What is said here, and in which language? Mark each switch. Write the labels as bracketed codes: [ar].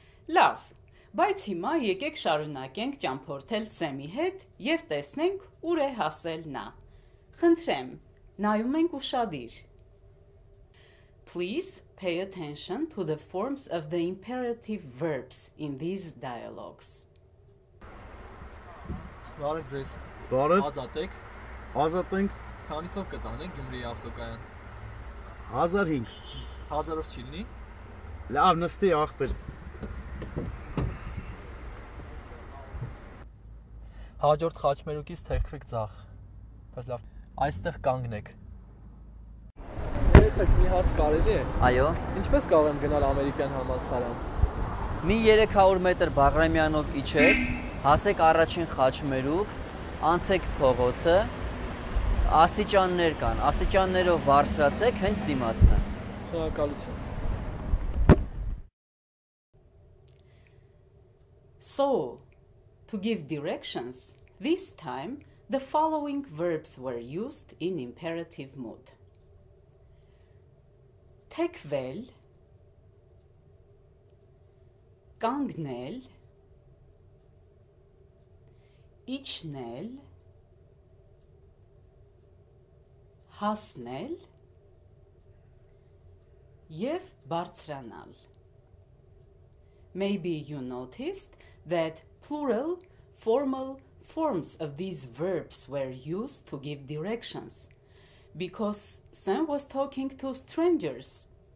[hy] Լավ, բայց հիմա եկեք շարունակենք ճամփորդել Սեմի հետ և տեսնենք ուր է հասել նա. Խնդրեմ, նայում ենք ուշադիր. [en] Please pay attention to the forms of the imperative verbs in these dialogues. [hy] Բարև ձեզ. Բարև. Ազատ եք? Ազատ ենք. Քանիցով կտանենք Գյումրիի ավտոկայան? 1005. 1000-ով չլինի? Լավ, նստի ախպեր. 100-րդ խաչմերուկից թերքվեք ձախ. Բայց լավ, այստեղ կանգնեք. Ես մի հարց կարելի է։ Այո։ Ինչպես կարող եմ գնալ ամերիկյան համալսարան։ Մի 300 մետր Բաղրամյանով իջեք, հասեք առաջին խաչմերուկ, անցեք փողոցը, աստիճաններ կան, աստիճաններով բարձրացեք հենց դիմացն է։ Շնորհակալություն։ [en] So, to give directions, this time the following verbs were used in imperative mood. [hy] Թեքվել, կանգնել, իջնել, հասնել և բարձրանալ. [en] Maybe you noticed that plural, formal forms of these verbs were used to give directions, because Sam was talking to strangers.